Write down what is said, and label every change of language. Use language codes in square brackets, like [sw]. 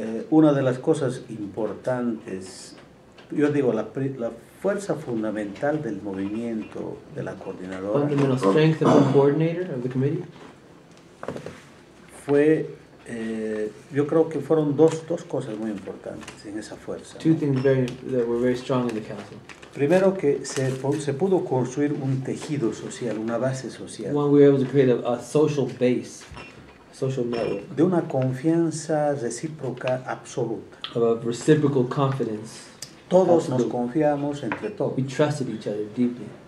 [es] Una de las cosas importantes, yo digo, la fuerza fundamental del movimiento de la coordinadora, [en] fundamental strength of the coordinator of the committee, [es] fue, yo creo que fueron dos cosas muy importantes en esa fuerza. [en] Two things that were very strong in the council. [es] Primero que se pudo construir un tejido social, una base social. [en] One, we were able to create a social base. Social network. [es] De una confianza recíproca absoluta. [en] Of a reciprocal confidence. [es] Todos [en] absolute. [es] Nos confiamos entre todos. [en] We trusted each other deeply.